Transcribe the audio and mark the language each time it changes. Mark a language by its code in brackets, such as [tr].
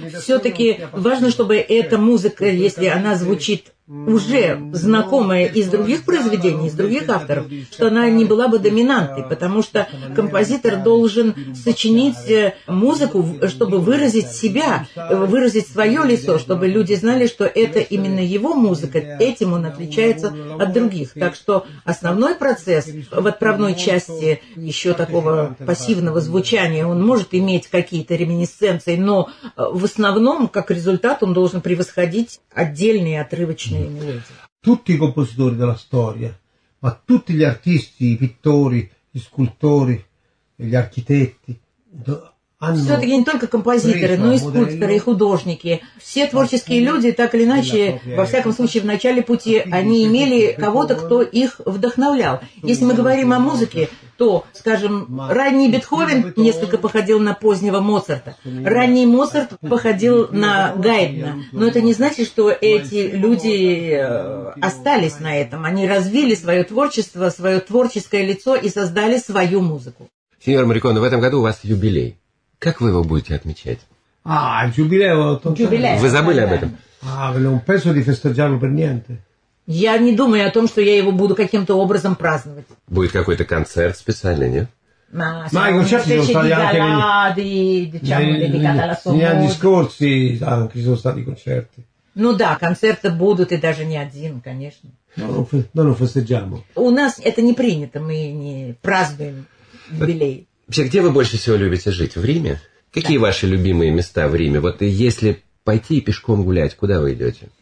[ru] Все-таки важно, чтобы эта музыка, если она звучит уже знакомая из других произведений, из других авторов, что она не была бы доминантной, потому что композитор должен сочинить музыку, чтобы выразить себя, выразить свое лицо, чтобы люди знали, что это именно его музыка, этим он отличается от других. Так что основной процесс в отправной части еще такого пассивного звучания, он может иметь какие-то реминисценции, но в основном, как результат, он должен превосходить отдельные отрывочные. [it] Tutti i compositori della storia, ma tutti gli artisti, i pittori, gli scultori, gli architetti hanno. [ru] Все-таки не только композиторы, но и скульпторы, и художники. Все творческие люди, так или иначе, во всяком случае, в начале пути они имели кого-то, кто их вдохновлял. Если мы говорим о музыке, то, скажем, ранний Бетховен несколько походил на позднего Моцарта. Ранний Моцарт походил на Гайдна. Но это не значит, что эти люди остались на этом. Они развили свое творчество, свое творческое лицо и создали свою музыку. Сеньор Морриконе, в этом году у вас юбилей. Как вы его будете отмечать? А, юбилей. Юбилей. Вы забыли об этом? А, вы не думаете, что [it] фестиджалу пер ниенте? [ru] Я не думаю о том, что я его буду каким-то образом праздновать. Будет какой-то концерт специальный, нет? [it] Ma sono stati anche lì, diciamo, negli anni scorsi anche sono stati concerti. [ru] Ну да, концерты будут и даже не один, конечно. [it] Non lo festeggiamo. [ru] У нас это не принято, мы не празднуем юбилей. Вообще, где вы больше всего любите жить? В Риме? Какие ваши любимые места в Риме? Вот если пойти пешком гулять, куда вы идете?